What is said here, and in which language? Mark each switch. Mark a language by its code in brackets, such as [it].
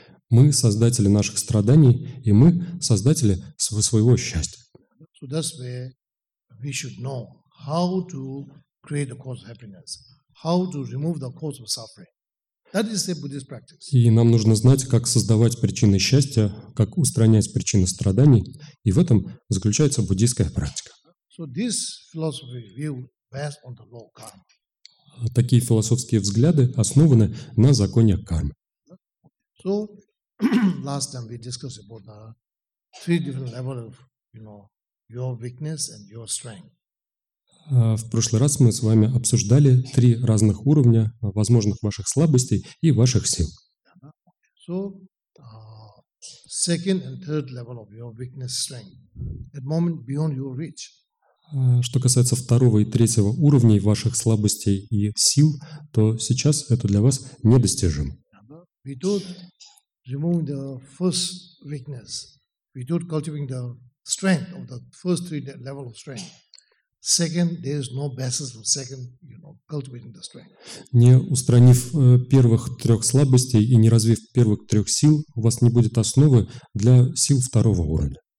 [ru] Мы создатели наших страданий, и мы создатели своего счастья. [en] So that's where we should know how to create the cause of happiness, how to remove the cause of suffering. That is the Buddhist practice. [ru] И нам нужно знать, как создавать причины счастья, как устранять причины страданий, и в этом заключается буддийская практика. [en] So this philosophy view based on the law of karma. [ru] Такие философские взгляды основаны на законе кармы. [en] So last time we discussed about the three different levels of, you know, your weakness and your strength. [ru] В прошлый раз мы с вами обсуждали три разных уровня возможных ваших слабостей и ваших сил. [en] So, second and third level of your weakness strength. At the moment beyond your reach. [ru] Что касается второго и третьего уровней ваших слабостей и сил, то сейчас это для вас недостижимо. [en] Without removing the first weakness, without cultivating the strength of the first three level of strength. Second, there is no basis for second, you know, cultivating the strength. [ru] Не устранив первых трех слабостей и не развив первых трех сил, у вас не будет основы для сил второго уровня.